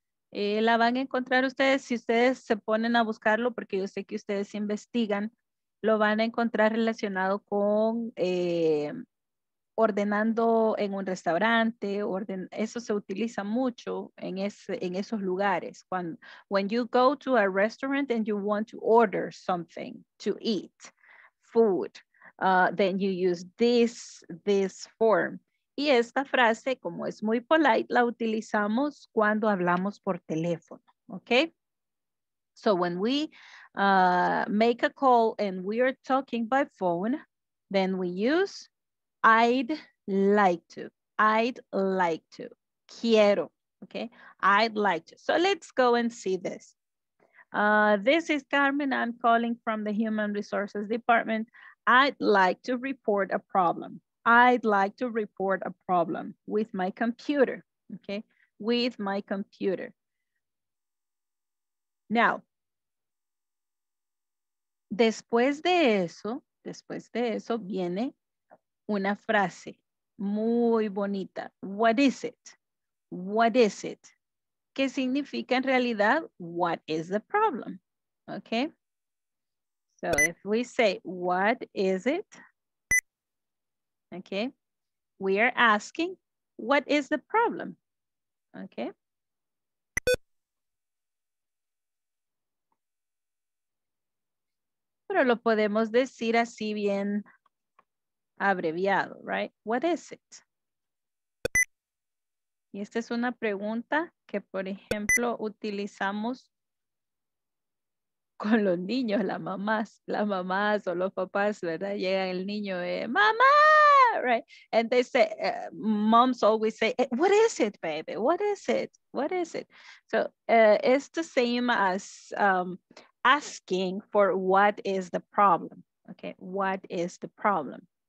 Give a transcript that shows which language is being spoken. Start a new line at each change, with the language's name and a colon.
Spanish: La van a encontrar ustedes, si ustedes se ponen a buscarlo, porque yo sé que ustedes investigan, lo van a encontrar relacionado con ordenando en un restaurante, eso se utiliza mucho en esos lugares.
English: When you go to a restaurant and you want to order something to eat, food, then you use this form.
Spanish: Y esta frase, como es muy polite, la utilizamos cuando hablamos por teléfono, okay?
English: So when we make a call and we are talking by phone, then we use I'd like to. I'd like to. Quiero, okay? I'd like to. So let's go and see this. This is Carmen. I'm calling from the Human Resources Department. I'd like to report a problem. I'd like to report a problem with my computer. Okay, with my computer.
Spanish: Now, después de eso viene una frase muy bonita.
English: What is it? What is it?
Spanish: ¿Qué significa en realidad?
English: What is the problem? Okay. So if we say, what is it? Okay. We are asking, what is the problem? Okay.
Spanish: Pero lo podemos decir así bien abreviado,
English: right? What is it?
Spanish: Y esta es una pregunta que, por ejemplo, utilizamos con los niños, las mamás o los papás, ¿verdad? Llega el niño, mamá, right?
English: And they say, moms always say, what is it, baby? What is it? What is it? So it's the same as asking for what is the problem, okay? What is the problem?